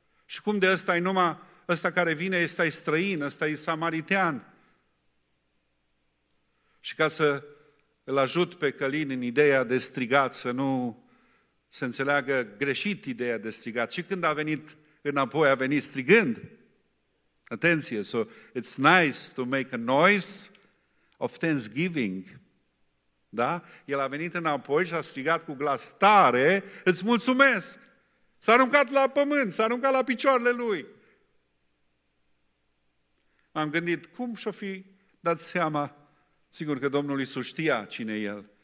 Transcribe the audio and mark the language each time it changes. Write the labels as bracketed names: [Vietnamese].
[Romanian] Și cum de ăsta e numai ăsta care vine, ăsta e străin, ăsta e samaritean? Și ca să îl ajut pe Călin în ideea de strigat, să nu se înțeleagă greșit ideea de strigat, și când a venit înapoi, a venit strigând. Atenție, [English] so it's nice to make a noise of thanksgiving. [Romanian] Da? El a venit înapoi și a strigat cu glas tare, îți mulțumesc! S-a aruncat la pământ, s-a aruncat la picioarele lui. Am gândit, cum și-o fi dat seama? Sigur că Domnul Iisus știa cine e el.